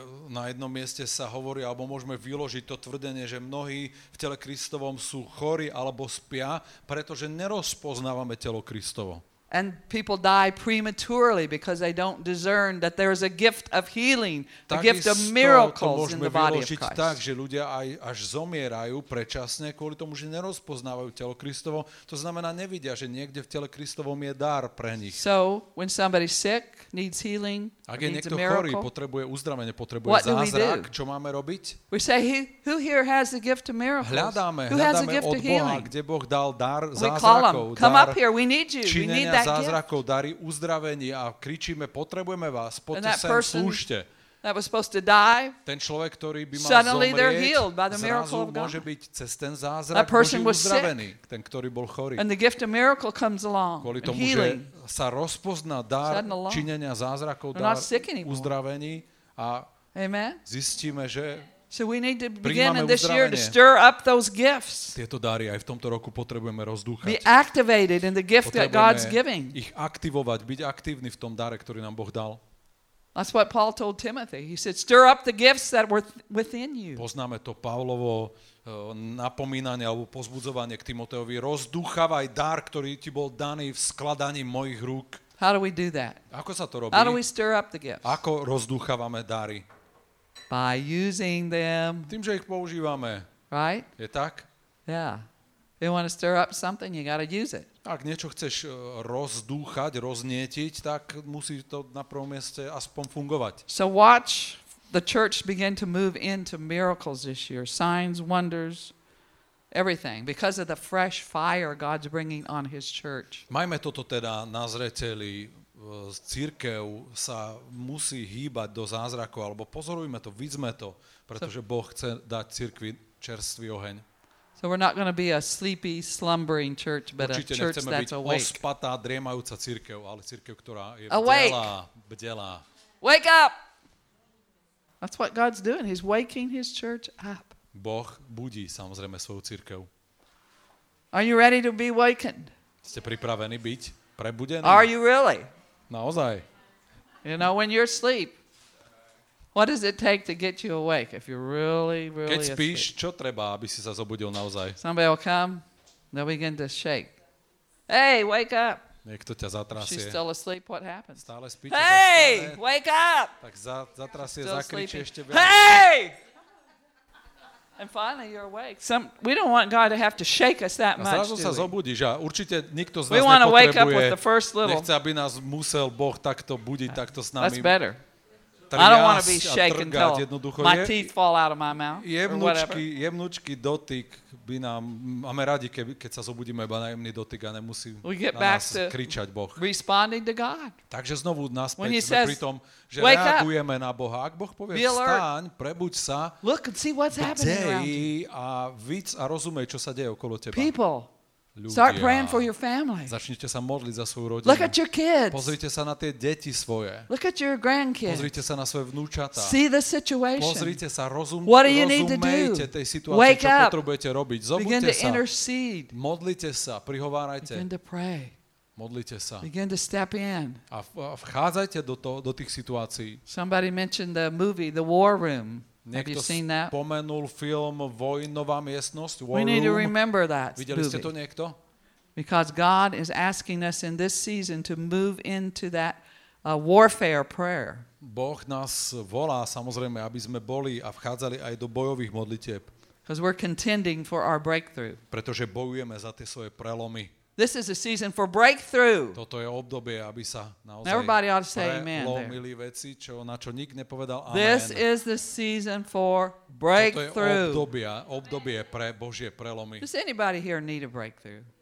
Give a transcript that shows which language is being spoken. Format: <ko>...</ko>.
<sk>Na jednom mieste sa hovorí, alebo môžeme vyložiť to tvrdenie, že mnohí v tele Kristovom sú chorí alebo spia, pretože nerozpoznávame telo Kristovo.</sk> <en>And people die prematurely because they don't discern that there is a gift of healing, a gift of miracles in the body of Christ.</en> <sk>Takisto to môžeme vyložiť tak, že ľudia aj až zomierajú predčasne kvôli tomu, že nerozpoznávajú telo Kristovo. To znamená, nevidia, že niekde v tele Kristovom je dar pre nich.</sk> <en>So, when somebody sick needs healing,</en> <sk>ak je niekto chorý, potrebuje uzdravenie, potrebuje zázrak, čo máme robiť?</sk> <en>We say, who here has the gift of miracles?</en> <sk>Hľadáme od Boha, kde Boh dal dar zázrakov.</sk> <en>We call them, come up here, we need you.</en> <sk>Zázrakov, dary uzdravenia a kričíme, potrebujeme vás, poďte sem, slúžte. Ten človek, ktorý by mal zomrieť, zrazu môže byť cez ten zázrak Boží uzdravený, ten, ktorý bol chorý.</sk> <en>And the gift of miracle comes along.</en> <sk>Kvôli tomu, že sa rozpozná dar činenia zázrakov, dar uzdravení a zistíme, že</sk> <en>so we need to begin in this year to stir up those gifts.</en> <sk>Tieto dary aj v tomto roku potrebujeme rozdúchať.</sk> <en>Be activated in the gift that God's giving.</en> <sk>Potrebujeme ich aktivovať, byť aktívny v tom dare, ktorý nám Boh dal.</sk> <en>That's what Paul told Timothy. He said, stir up the gifts that were within you.</en> <sk>Poznáme to Pavlovo napomínanie alebo pozbudzovanie k Timoteovi. Rozdúchavaj dar, ktorý ti bol daný v skladaní mojich rúk.</sk> <en>How do we do that?</en> <sk>Ako sa to robí?</sk> <en>How do we stir up the gifts?</en> <sk>Ako rozdúchavame dary?</sk> <en>By using them.</en> <sk>Tým, že ich používame.</sk> <en>Right?</en> <sk>Je tak?</sk> <en>Yeah. You want to stir up something, you got to use it.</en> <sk>Ak niečo chceš rozdúchať, roznietiť, tak musí to na prvom mieste aspoň fungovať.</sk> <en>So watch the church begin to move into miracles this year. Signs, wonders, everything. Because of the fresh fire God's bringing on his church.</en> <sk>Majme toto teda na zreteli. Cirkev sa musí hýbať do zázrakov, alebo pozorujme to, vidíme to, pretože Boh chce dať cirkvi čerstvý oheň.</sk> <en>So we're not going to be a sleepy, slumbering church, but</en> <sk>určite</sk> <en>a church that's awake.</en> <sk>Určite nechceme byť ospatá, driemajúca cirkev, ale cirkev, ktorá je bdelá, bdelá.</sk> <en>Wake up! That's what God's doing. He's waking his church up.</en> <sk>Boh budí samozrejme svoju cirkev.</sk> <en>Are you ready to be wakened?</en> <sk>Ste pripravení byť prebudení?</sk> <en>Are you really?</en> <sk>Naozaj.</sk> <en>You know, when you're asleep, what does it take to get you awake if you're really, really</en> <sk>keď spíš,</sk> <en>asleep?</en> <sk>Čo treba, aby si sa zobudil naozaj?</sk> <en>Somebody will come, they'll begin to shake. Hey, wake up.</en> <sk>Niekto ťa zatrasie.</sk> <en>She's still asleep, what happens?</en> <sk>Stále spíš.</sk> <en>Hey, wake up.</en> <sk>Tak zatrasie, zakričie ešte viac.</sk> <en>Hey! And finally you're awake. We don't want God to have to shake us that much.</en> <sk>Zrazu sa zobudíš, a určite nikto z nás nepotrebuje. Nechce, aby nás musel Boh takto budiť, takto s nami.</sk> <en>That's better. I don't want to be shaken until my teeth fall out of my mouth.</en> <sk>Jemnučky dotyk by nám, máme radi, keď sa zobudíme, iba na jemný dotyk a nemusí na nás kričať Boh.</sk> <en>Responding to God.</en> <sk>Takže znovu naspäť sme pri tom, že reagujeme na Boha. Ak Boh povie, vstaň, prebuď sa,</sk> <en>look and see what's happening around you.</en> <sk>A víc a rozumej, čo sa deje okolo teba.</sk> <en>People,</en> <sk>ľudia.</sk> <en>Start praying for your family.</en> <sk>Začnite sa modliť za svoju rodinu.</sk> <en>Look at your kids.</en> <sk>Pozrite sa na tie deti svoje.</sk> <en>Look at your grandkids.</en> <sk>Pozrite sa na svoje vnúčatá.</sk> <en>See the situation.</en> <sk>Pozrite sa, rozumejte tej situácii,</sk> <en>wake</en> <sk>čo</sk> <en>up.</en> <sk>Potrebujete robiť. Zobuďte</sk> <en>Begin</en> <sk>sa.</sk> <en>To intercede.</en> <sk>Modlite sa, prihovárajte.</sk> <en>Begin to pray.</en> <sk>Modlite sa.</sk> <en>Begin to step in.</en> <sk>A vchádzajte do toho, do tých situácií.</sk> <en>Somebody mentioned the movie The War Room.</en> <sk>Niekto spomenul film Vojnová miestnosť, War</sk> <en>We Need to remember that</en> <sk>Videli</sk> <en>movie.</en> <sk>Ste to niekto?</sk> <en>Because God is asking us in this season to move into that warfare prayer.</en> <sk>Boh nás volá, samozrejme, aby sme boli a vchádzali aj do bojových modlitieb.</sk> <en>Because we're contending for our breakthrough.</en> <sk>Pretože bojujeme za tie svoje prelomy.</sk> <en>This is a season for breakthrough.</en> <sk>Toto je obdobie, aby sa naozaj</sk> <en>Everybody ought to say amen.</en> <sk>Prelomili veci, čo na čo nik nepovedal amen.</sk> <en>This is the season for breakthrough.</en> <sk>Toto je obdobie pre Božie prelomy.</sk> <en>Does anybody here need a breakthrough?</en>